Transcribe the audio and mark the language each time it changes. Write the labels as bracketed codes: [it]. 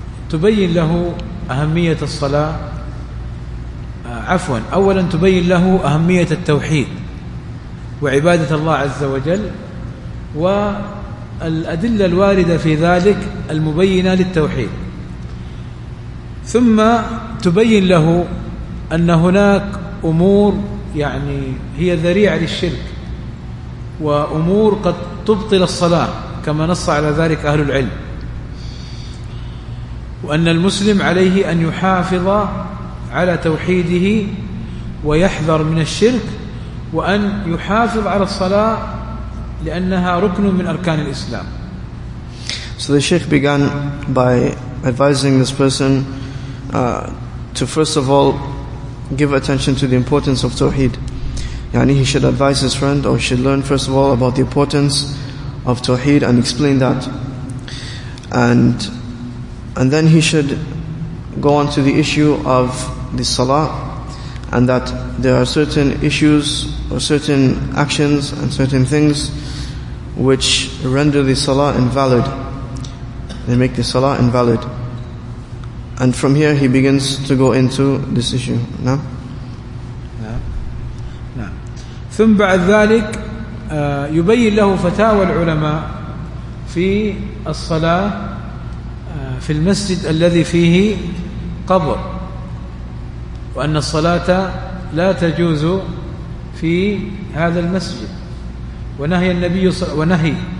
[ar] تبين له أهمية الصلاة، عفوا، أولا تبين له أهمية التوحيد وعبادة الله عز وجل والأدلة الواردة في ذلك المبينة للتوحيد، ثم تبين له أن هناك أمور يعني هي ذريعة للشرك وأمور قد تبطل الصلاة كما نص على ذلك أهل العلم، وأن المسلم عليه أن يحافظ على توحيده ويحذر من الشرك وأن يحافظ على الصلاة لأنها ركن من أركان الإسلام. [en] So the Sheikh began by advising this person to first of all give attention to the importance of Tawheed. يعني he should advise his friend or should learn first of all about the importance of Tawheed and explain that. And then he should go on to the issue of the salah, and that there are certain issues or certain actions and certain things which render the salah invalid. They make the salah invalid. And from here he begins to go into this issue. No? No. [ar] ثم بعد ذلك يبين له فتاوى العلماء في الصلاة في المسجد الذي فيه قبر، وأن الصلاة لا تجوز في هذا المسجد، ونهي